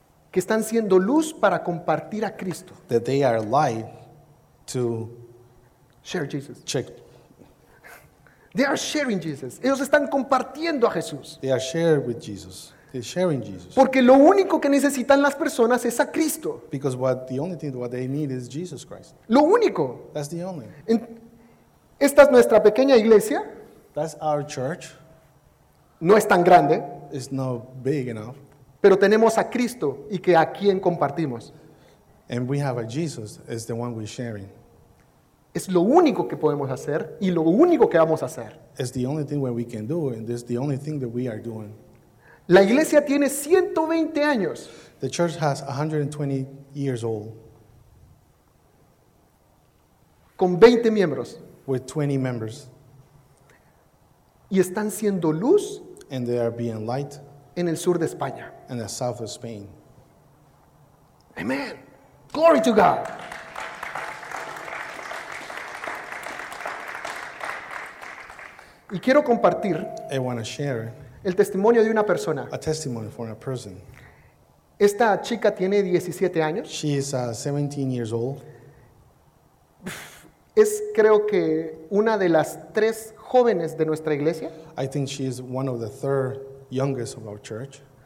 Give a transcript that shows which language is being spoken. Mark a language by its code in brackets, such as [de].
[es] Que están siendo luz para compartir a Cristo. [en] That they are light to share Jesus. Check. They are sharing Jesus. [es] Ellos están compartiendo a Jesús. [en] They are sharing with Jesus. They're sharing Jesus. [es] Porque lo único que necesitan las personas es a Cristo. [en] Because the only thing they need is Jesus Christ. [es] Lo único. [en] That's the only. [es] Esta es nuestra pequeña iglesia. [en] That's our church. [es] No es tan grande. [en] It's not big enough. [es] Pero tenemos a Cristo y que a quien compartimos. [en] And we have a Jesus as the one we're sharing. [es] Es lo único que podemos hacer y lo único que vamos a hacer. [en] It's the only thing we can do and it's the only thing that we are doing. [es] La iglesia tiene 120 años. [en] The church has 120 years old. [es] Con 20 miembros. [en] With 20 members. [es] Y están siendo luz. [en] And they are being light. [es] En el sur de España. [en] In the south of Spain. Amen. Glory to God. [es] Y quiero compartir. [en] I want to share. [es] El testimonio de una persona. [en] A testimony for a person. [es] Esta chica tiene 17 años. [en] She is 17 years old. [es] Es creo que una de las tres jóvenes de nuestra iglesia. [en] I think she is one of the third youngest of our church.